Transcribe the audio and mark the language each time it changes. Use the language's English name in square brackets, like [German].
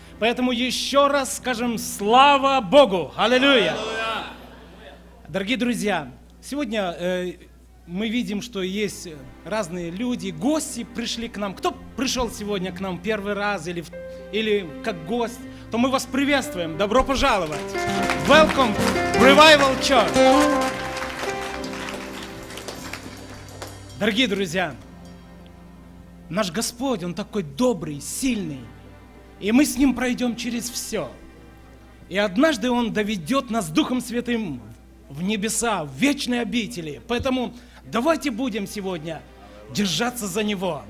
[Russian] Поэтому еще раз скажем слава Богу! Аллилуйя! Дорогие друзья, сегодня мы видим, что есть разные люди, гости пришли к нам. Кто пришел сегодня к нам первый раз или как гость, то мы вас приветствуем. Добро пожаловать! [English] Welcome to Revival Church! [Russian] Дорогие друзья, наш Господь, Он такой добрый, сильный, и мы с Ним пройдем через все. И однажды Он доведет нас Духом Святым в небеса, в вечные обители. Поэтому давайте будем сегодня держаться за Него.